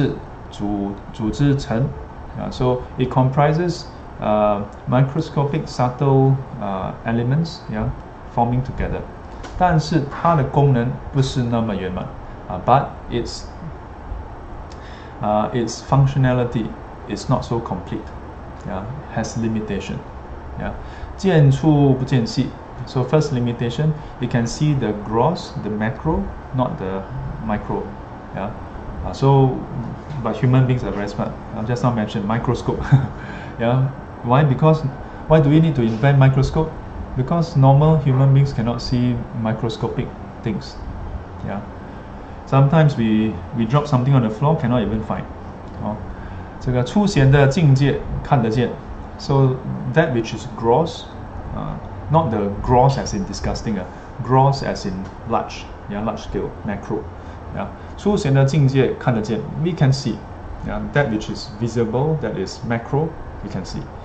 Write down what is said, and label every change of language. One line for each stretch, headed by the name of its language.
Chinese: 是由这个精微的这个物质组织成.
English: So it comprises microscopic subtle elements, forming together.
Chinese: 但是它的功能不是那么圆满.
English: But its functionality is not so complete, has limitation.
Chinese: 见处不见细.
English: So first limitation, you can see the gross, the macro, not the micro. But human beings are very smart. I've just now mentioned microscope. Why? Because why do we need to invent microscope? Because normal human beings cannot see microscopic things. Sometimes we drop something on the floor, cannot even find.
Chinese: 这个粗显的境界看得见.
English: So that which is gross, not the gross as in disgusting, gross as in large, large scale, macro.
Chinese: 粗显的境界看得见,
English: we can see. That which is visible, that is macro, we can see.